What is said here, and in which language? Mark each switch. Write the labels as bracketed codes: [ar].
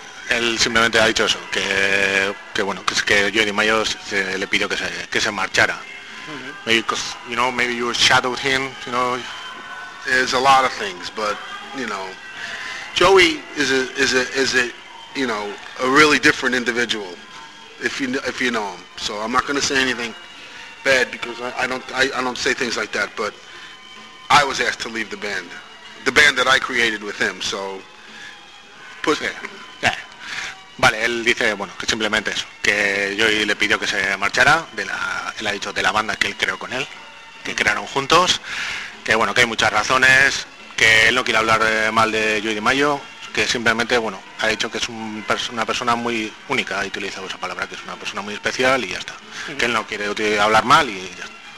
[es] Él simplemente ha dicho eso, que bueno, que es que Joey DeMaio se le pidió que se marchara. Mm-hmm. [en] Maybe, because, you know, maybe you shadowed him, you know. There's a lot of things, but, you know, Joey is a you know, a really different individual, if you know him. So I'm not going to say anything bad, because I don't say things like that, but I was asked to leave the band that I created with him, so put... Yeah. [es] Vale, él dice, bueno, que simplemente eso, que Joey le pidió que se marchara, él ha dicho, de la banda que él creó con él, que crearon juntos, que bueno, que hay muchas razones, que él no quiere hablar mal de Joey DeMaio, que simplemente, bueno, ha dicho que es una persona muy única, ha utilizado esa palabra, que es una persona muy especial y ya está, que él no quiere hablar mal y ya está.